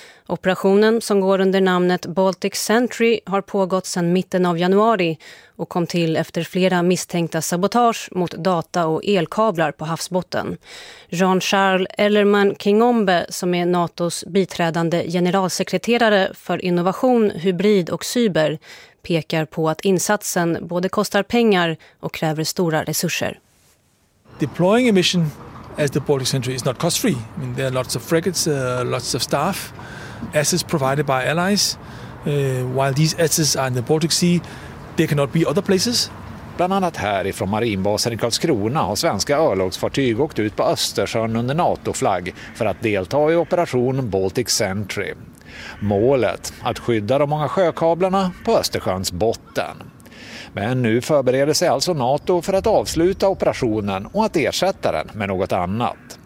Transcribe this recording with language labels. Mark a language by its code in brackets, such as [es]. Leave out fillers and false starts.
[sv] Operationen som går under namnet Baltic Sentry har pågått sedan mitten av januari och kom till efter flera misstänkta sabotage mot data- och elkablar på havsbotten. Jean-Charles Ellerman-Kingombe, som är NATOs biträdande generalsekreterare för innovation, hybrid och cyber, pekar på att insatsen både kostar pengar och kräver stora resurser. [en] Deploying a mission as the Baltic Sentry is not cost free. I mean, there are lots of frigates, lots of staff, assets provided by allies. While these assets are in the Baltic Sea, they cannot be other places. [sv] Bland annat härifrån marinbasen i Karlskrona har svenska örlogsfartyg åkt ut på Östersjön under NATO-flagg för att delta i operation Baltic Sentry. Målet, att skydda de många sjökablarna på Östersjöns botten. Men nu förbereder sig alltså NATO för att avsluta operationen och att ersätta den med något annat.